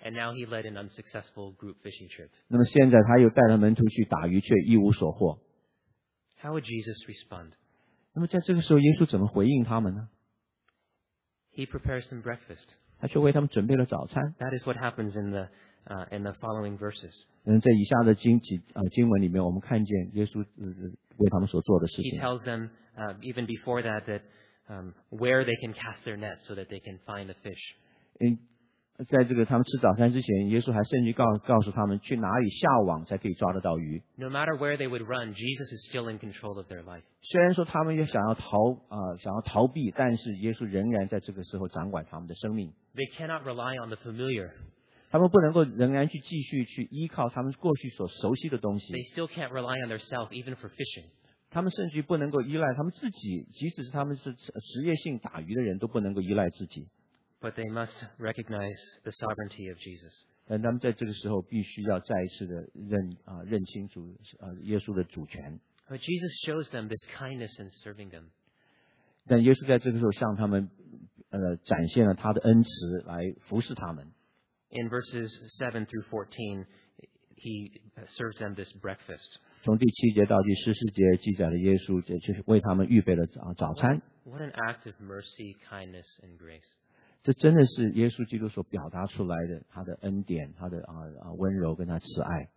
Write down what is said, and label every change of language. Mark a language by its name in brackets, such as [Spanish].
[English] And now he led an unsuccessful group fishing trip. [Chinese] 那么现在他又带了门徒去打鱼，却一无所获。 [English] How would Jesus respond? [Chinese] 那么在这个时候，耶稣怎么回应他们呢 [English] ？He prepares some breakfast. [Chinese] 他却为他们准备了早餐。 [English] That is what happens in the following verses. [Chinese] 在以下的经文里面，我们看见耶稣。为他们所做的事情。 [English] He tells them, even before that, that where they can cast their nets so that they can find the fish. [Chinese] 在这个他们吃早餐之前，耶稣还甚至告诉他们去哪里下网才可以抓得到鱼。 [English] No matter where they would run, Jesus is still in control of their life. [Chinese] 虽然说他们也想要逃避，但是耶稣仍然在这个时候掌管他们的生命。 [English] They cannot rely on the familiar. [Chinese] 他们不能够仍然去继续去依靠他们过去所熟悉的东西。 [English] They still can't rely on themselves even for fishing. [Chinese] 他们甚至不能够依赖他们自己，即使是他们是职业性打鱼的人，都不能够依赖自己。 [English] But they must recognize the sovereignty of Jesus. [Chinese] 但他们在这个时候必须要再一次的认清楚耶稣的主权。 [English] But Jesus shows them this kindness in serving them. [Chinese] 但耶稣在这个时候向他们展现了他的恩慈来服侍他们。 [English] In verses 7 through 14, he serves them this breakfast. [Chinese] 从第七节到第十四节记载了耶稣就是为他们预备了早餐。 [English] What an act of mercy, kindness, and grace. [Chinese] 这真的是耶稣基督所表达出来的他的恩典他的温柔跟他慈爱。